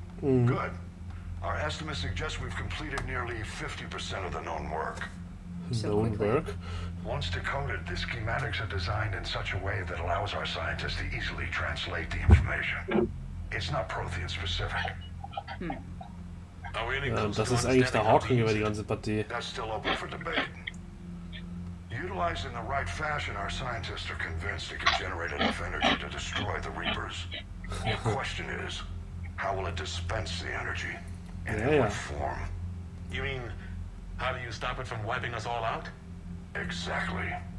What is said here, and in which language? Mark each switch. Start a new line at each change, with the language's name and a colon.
English: Good. Our estimates suggest we've completed nearly 50% of the known work. Known work? Once decoded, the schematics are designed in such a way that allows our scientists to easily translate the information. It's not Prothean specific.
German: Das ist eigentlich der Haken über die ganze Partie.
English: That's still open for debate. Utilized in the right fashion, our scientists are convinced it can generate enough energy to destroy the Reapers. The question is, how will it dispense the energy? In what form? You mean, how do you stop it from wiping us all out? Exactly.